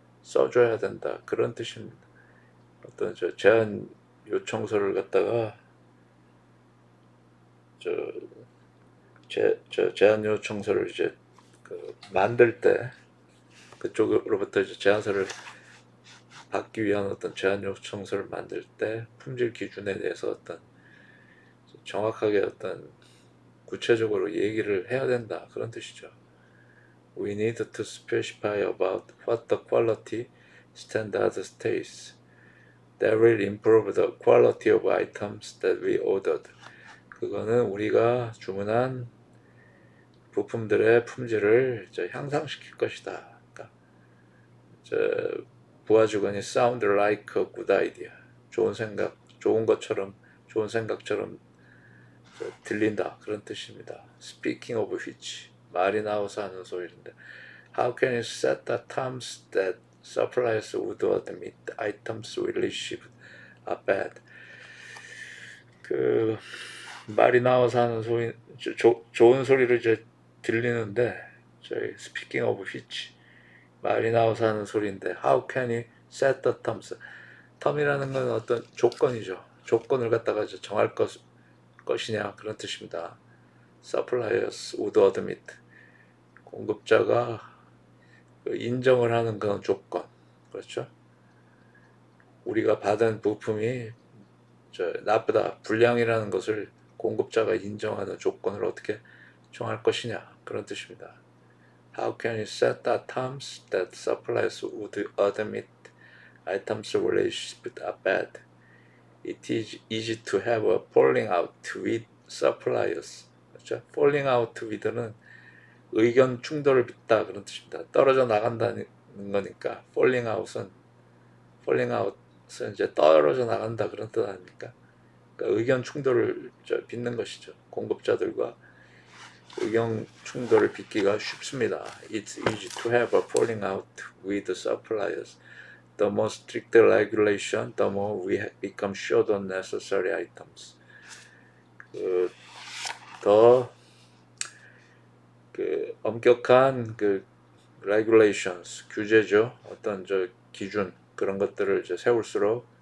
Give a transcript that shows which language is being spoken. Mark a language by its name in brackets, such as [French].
[Korean] 써줘야 된다 그런 뜻입니다. 어떤 저 제안 요청서를 갖다가 저 제안 요청서를 이제 그 만들 때 그쪽으로부터 이제 제안서를 받기 위한 어떤 제안 요청서를 만들 때 품질 기준에 대해서 어떤 정확하게 어떤 구체적으로 얘기를 해야 된다 그런 뜻이죠. [English] We need to specify about what the quality standard states that will improve the quality of items that we ordered. [Korean] 그거는 우리가 주문한 부품들의 품질을 향상시킬 것이다. 그러니까 부하 직원이 [English] sound like a good idea. [Korean] 좋은 생각, 좋은 생각처럼 들린다 그런 뜻입니다. [English] Speaking of which, [Korean] 말이 나와서 하는 소리인데, [English] How can you set the terms that suppliers would admit items we received are bad? [Korean] 그 말이 나와서 하는 소리, 좋은 소리를 이제 들리는데, 저희 [English] Speaking of which, [Korean] 말이 나와서 하는 소리인데, [English] How can you set the terms? [Korean] Term이라는 건 어떤 조건이죠. 조건을 갖다가 이제 정할 것. 것이냐 그런 뜻입니다. [English] Suppliers would admit [Korean] 공급자가 인정을 하는 그런 조건 그렇죠? 우리가 받은 부품이 저 나쁘다 불량이라는 것을 공급자가 인정하는 조건을 어떻게 정할 것이냐 그런 뜻입니다. [English] How can you set the terms that suppliers would admit items relationship are bad? It is easy to have a falling out with suppliers. [Korean] 그렇죠? [English] Falling out with [Korean] 는 의견 충돌을 빚다 그런 뜻입니다. 떨어져 나간다는 거니까 falling out은 이제 떨어져 나간다 그런 뜻 아닙니까? 그러니까 의견 충돌을 빚는 것이죠. 공급자들과 의견 충돌을 빚기가 쉽습니다. [English] It's easy to have a falling out with suppliers. The more strict the regulation, the more we have become short on necessary items. [Korean] 더 엄격한 그 regulations 규제죠. 어떤 저 기준 그런 것들을 이제 세울수록